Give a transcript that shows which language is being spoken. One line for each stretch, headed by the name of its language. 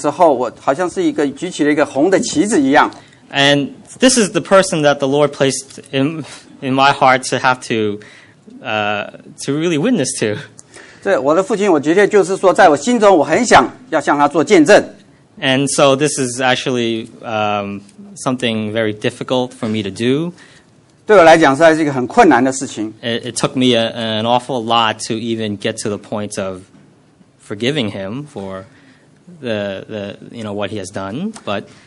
Chinese: 他在回到我的生命的当中的跟我有交往的时候，我好像是一个举起了一个红的旗子一样。
English: And this is the person that the Lord placed in my heart to have to really witness to.
Chinese: 这我的父亲，我觉得就是说，在我心中，我很想要向他做见证。
English: And so this is actually something very difficult for me to do.
Chinese: 对我来讲，实在是一个很困难的事情。
English: It took me an awful lot to even get to the point of forgiving him for what he has done, but